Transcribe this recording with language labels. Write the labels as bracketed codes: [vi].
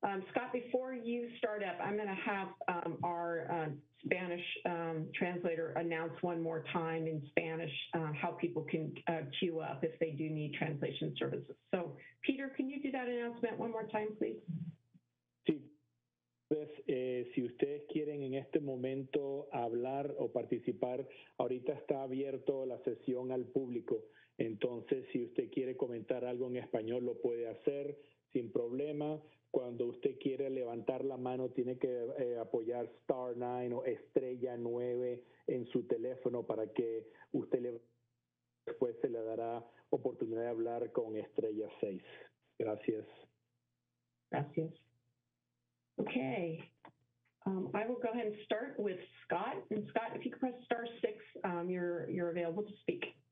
[en] Scott, before you start up, I'm going to have our Spanish translator announce one more time in Spanish how people can queue up if they do need translation services. So, Peter, can you do that announcement one more time, please? [es] Sí. Pues, si ustedes quieren en este momento hablar o participar, ahorita está abierto la sesión al público. Entonces, si usted quiere comentar algo en español, lo puede hacer sin problema. Cuando usted quiere levantar la mano, tiene que apoyar *9 o *9 en su teléfono para que usted después se le dará oportunidad de hablar con *6. Gracias. Gracias. Okay. [en] I will go ahead and start with Scott. And Scott, if you could press *6, you're available to speak.